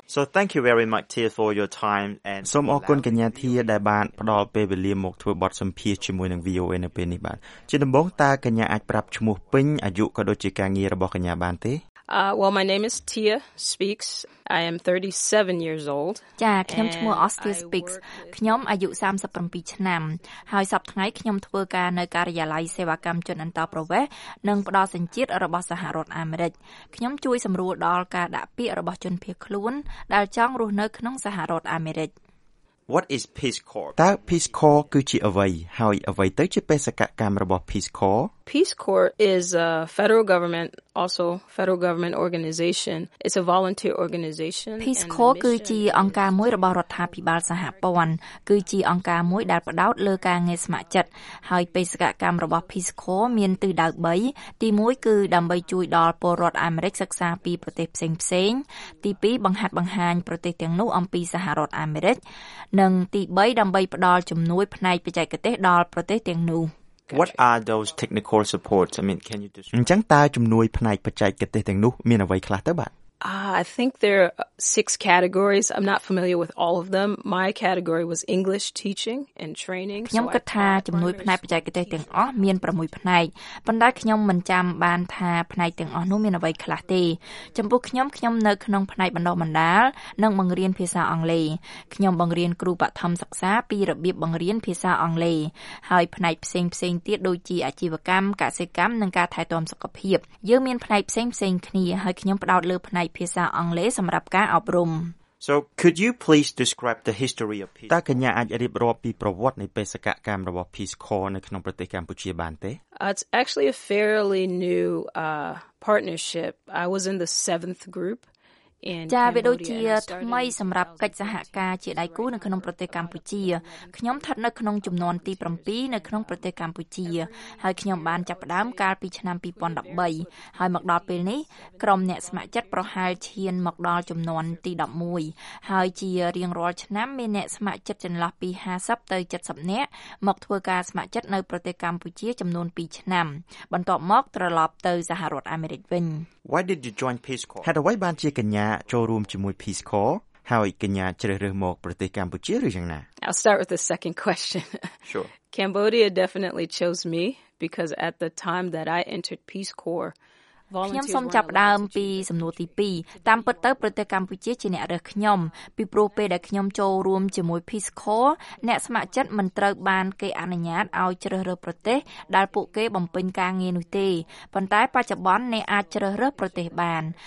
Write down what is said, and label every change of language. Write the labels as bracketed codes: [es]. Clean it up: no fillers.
[en] So thank you very much Tia for your time and [km] សូមអរគុណកញ្ញាធៀដែលបានផ្ដល់ពេលវេលាមកធ្វើបទសម្ភាសជាមួយនឹង VOA នៅពេលនេះបាទជាដំបូងតើកញ្ញាអាចប្រាប់ឈ្មោះពេញអាយុក៏ដូចជាការងាររបស់កញ្ញាបានទេ [en] Well my name is Tia Speaks I am 37 years old [km] ចាខ្ញុំឈ្មោះ Austin Speaks ខ្ញុំអាយុ37ឆ្នាំហើយសប្ដងខ្ញុំធ្វើការនៅការិយាល័យសេវាកម្មជនអន្តរប្រវេសន៍និងផ្ដល់សញ្ជាតិរបស់សហរដ្ឋអាមេរិកខ្ញុំជួយសម្រួលដល់ការដាក់ពាក្យរបស់ជនភៀសខ្លួនដែលចង់រស់នៅក្នុងសហរដ្ឋអាមេរិក [en] What is Peace Corps? [km] តើ Peace Corps គឺជាអ្វីហើយអ្វីទៅជាបេសកកម្មរបស់ Peace Corps? [en] Peace Corps is a federal government also federal government organization. It's a volunteer organization. [km] Peace Corps គឺជាអង្គការមួយរបស់រដ្ឋាភិបាលសហព័ន្ធគឺជាអង្គការមួយដែលផ្ដោតលើការងារស្ម័គ្រចិត្តហើយបេសកកម្មរបស់ Peace Corps មានទិសដៅ3ទី1គឺដើម្បីជួយដល់ពលរដ្ឋអាមេរិកសិក្សាពីប្រទេសផ្សេងៗទី2បង្ហាត់បង្ហាញប្រទេសទាំងនោះអំពីសហរដ្ឋអាមេរិកនិងទី3ដើម្បីផ្ដល់ជំនួយផ្នែកបច្ចេកទេសដល់ប្រទេសទាំងនោះ [en] What are those technical supports? I mean, can you describe? [km] អញ្ចឹងតើជំនួយផ្នែកបច្ចេកទេសទាំងនោះមានអ្វីខ្លះទៅបាទ? [en] I think there are 6 categories. I'm not familiar with all of them. My category was English teaching and training. [km] ខ្ញុំគិតថាជំនួយផ្នែកបច្ចេកទេសទាំងអស់មាន6ផ្នែកប៉ុន្តែខ្ញុំមិនចាំបានថាផ្នែកទាំងអស់នោះមានអ្វីខ្លះទេចំពោះខ្ញុំនៅក្នុងផ្នែកបណ្ដុះបណ្ដាលនិងបង្រៀនភាសាអង់គ្លេសខ្ញុំបង្រៀនគ្រូបឋមសិក្សាពីរបៀបបង្រៀនភាសាអង់គ្លេសហើយផ្នែកផ្សេងទៀតដូចជាអាជីវកម្មកសិកម្មនិងការថែទាំសុខភាពយើងមានផ្នែកផ្សេងគ្នាហើយខ្ញុំផ្ដោតលើផ្នែកភាសាអង់គ្លេសសម្រាប់ការអប់រំ [en] So could you please describe the history of Peace Corps? [km] តើកញ្ញាអាចរៀបរាប់ពីប្រវត្តិនៃបេសកកម្មរបស់ Peace Corps នៅក្នុងប្រទេសកម្ពុជាបានទេ? [en] It's actually a fairly new partnership. I was in the 7th group [km] ចាវាដូចជាថ្មីសម្រាប់កិច្ចសហការជាដៃគូនៅក្នុងប្រទេសកម្ពុជាខ្ញុំស្ថិតនៅក្នុងជំនាន់ទី7នៅក្នុងប្រទេសកម្ពុជាហើយខ្ញុំបានចាប់ផ្ដើមកាលពីឆ្នាំ2013ហើយមកដល់ពេលនេះក្រុមអ្នកស្ម័គ្រចិត្តប្រហែលឈានមកដល់ជំនាន់ទី11ហើយជារៀងរាល់ឆ្នាំមានអ្នកស្ម័គ្រចិត្តចន្លោះពី50ទៅ70នាក់មកធ្វើការស្ម័គ្រចិត្តនៅប្រទេសកម្ពុជាចំនួន2ឆ្នាំបន្ទាប់មកត្រឡប់ទៅសហរដ្ឋអាមេរិកវិញ [en] Why did you join Peace Corps? [km] ហេតុអ្វីបានជាកញ្ញាចូលរួមជាមួយ Peace Corps ហើយកញ្ញាជ្រើសរើសមកប្រទេសកម្ពុជាឬយ៉ាងណា? [en] I'll start with the second question. Sure. Cambodia definitely chose me because at the time that I entered Peace Corps [km] ខ្ញុំសូមចាប់ផ្ដើមពីសំណួរទី2តាមពិតទៅប្រទេសកម្ពុជាជាអ្នករើសខ្ញុំពីព្រោះពេលដែលខ្ញុំចូលរួមជាមួយ Peace Corps អ្នកស្ម័គ្រចិត្តមិនត្រូវបានគេអនុញ្ញាតឲ្យជ្រើសរើសប្រទេសដែលពួកគេបំពេញការងារនោះទេប៉ុន្តែបច្ចុប្បន្នអ្នកអាចជ្រើសរើសប្រទេសបាន